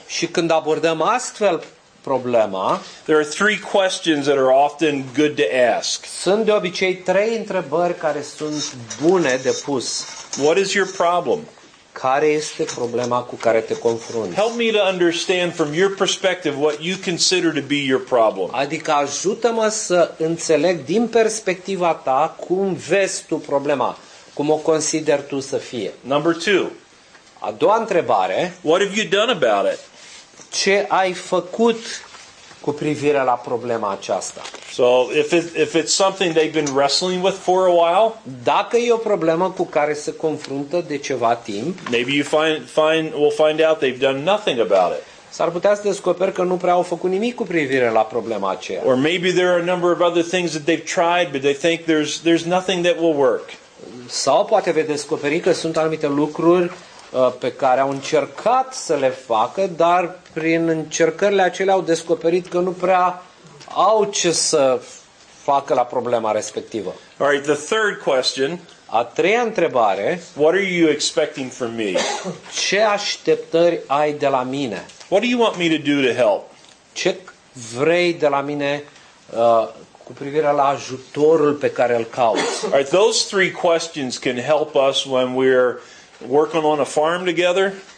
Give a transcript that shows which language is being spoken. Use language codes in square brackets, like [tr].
[ro] și când abordăm astfel problema, [en] there are three questions that are often good to ask. [ro] Sunt de obicei trei întrebări care sunt bune de pus. [en] What is your problem? [ro] Care este problema cu care te confrunți? [en] Help me to understand from your perspective what you consider to be your problem. [ro] Adică ajută-mă să înțeleg din perspectiva ta cum vezi tu problema, cum o consideri tu să fie. [en] Number two. [ro] A doua întrebare. [en] What have you done about it? [ro] Ce ai făcut cu privire la problema aceasta? [en] So if it's something they've been wrestling with for a while, [ro] dacă e o problemă cu care se confruntă de ceva timp, [en] maybe you find out they've done nothing about it. [ro] S-ar putea să descoperi că nu prea au făcut nimic cu privire la problema aceea. [en] Or maybe there are a number of other things that they've tried, but they think there's nothing that will work. [ro] Sau poate vei descoperi că sunt anumite lucruri pe care au încercat să le facă, dar prin încercările acelea au descoperit că nu prea au ce să facă la problema respectivă. [en] All right, the third question. [ro] A treia întrebare. [en] What are you expecting from me? [ro] Ce așteptări ai de la mine? [en] What do you want me to do to help? [ro] Ce vrei de la mine cu privire la ajutorul pe care îl cauți. [en] All right, those three questions can help us when we're working on a farm together.